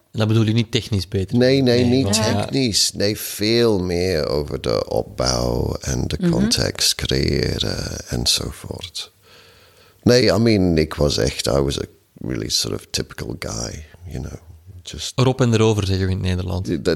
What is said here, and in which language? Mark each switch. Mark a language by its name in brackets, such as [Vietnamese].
[Dutch] Dat bedoel je niet technisch beter? Nee, niet technisch. Nee, veel meer over de opbouw en de context creëren enzovoort. [English] Nee, I mean, I was a really sort of typical guy, you know. [Dutch] Erop en erover, zeg je in het Nederland.